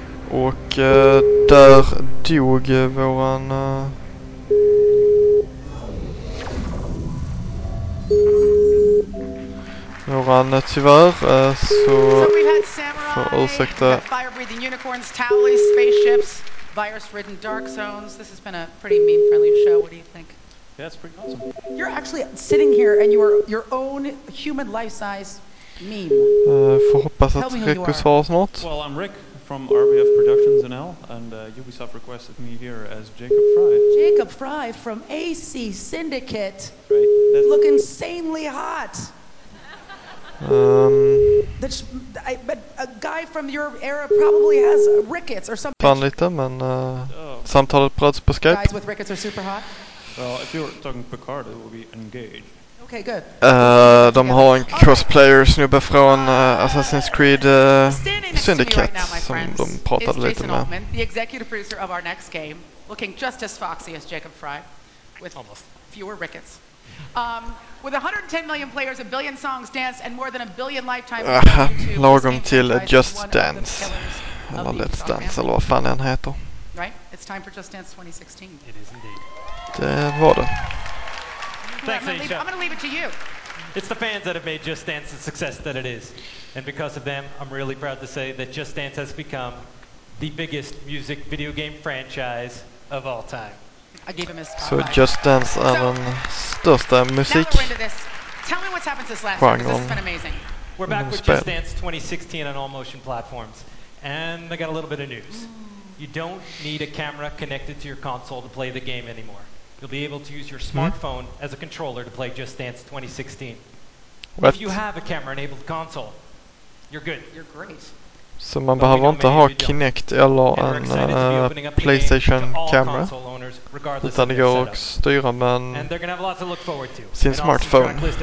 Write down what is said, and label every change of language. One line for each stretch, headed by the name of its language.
Swedish: Och där dog våran... våran tyvärr, så får ursäkta.
English: Fire-breathing unicorns, Tally, spaceships, virus-ridden dark zones. This has been a pretty meme-friendly show. What do you think? Yeah, that's pretty awesome. You're actually sitting here and you are your own human life-size meme.
Swedish: Får hoppas att Rick svarar snart.
English: Well, I'm Rick from RBF Productions NL, and Ubisoft requested me here as Jacob Fry. Jacob Fry from AC Syndicate. Right. That's look insanely hot. But a guy from your era probably has rickets or something.
Swedish: Fan lite, men samtalet bröts på Skype.
English: Guys with rickets are super hot. Well, if you're talking Picard, it will be engaged. Okay, good.
Swedish: De har en crossplayer snubbe från Assassin's Creed Syndicate
English: right now,
Swedish: som de pratade lite
English: Jason
Swedish: med.
English: Altman, the executive producer of our next game, looking just as foxy as Jacob Fry, with almost fewer rickets. With 110 million players, a billion songs danced, and more than a billion lifetimes on YouTube,
Swedish: lagom till Just Dance, eller Let's Dance, eller vad fan den heter.
English: Right? It's time for Just Dance 2016. It is indeed.
Swedish: Det var det.
English: Thanks, Aisha. I'm going to leave it to you. It's the fans that have made Just Dance the success that it is. And because of them, I'm really proud to say that Just Dance has become the biggest music video game franchise of all time. I gave him his
Swedish: so Just Dance är den största musik.
English: Tell me what's happened since last time. This has been amazing. We're back with Just Dance 2016 on all motion platforms, and I got a little bit of news. You don't need a camera connected to your console to play the game anymore. You'll be able to use your smartphone as a controller to play Just Dance 2016. What? If you have a camera-enabled console, you're good. You're great.
Swedish: Så man but behöver inte ha Kinect eller en PlayStation kamera, utan det går att styra med sin smartphone.